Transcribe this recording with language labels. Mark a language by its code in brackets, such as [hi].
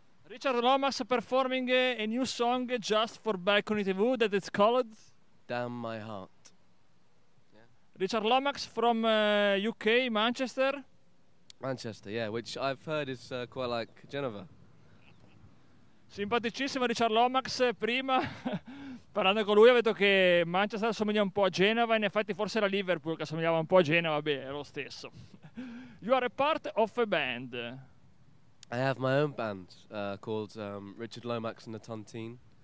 [en] Richard Lomax performing a new song just for BalconyTV that it's called Damn My Heart. Richard Lomax from UK, Manchester. Manchester, yeah, which I've heard is quite like Genova. [it] Simpaticissimo Richard Lomax, prima parlando con lui ho detto che Manchester assomiglia un po' a Genova, in effetti forse era Liverpool che assomigliava un po' a Genova, beh, è lo stesso. [en] You are a part of a band. I have my own band called Richard Lomax and the Tontine.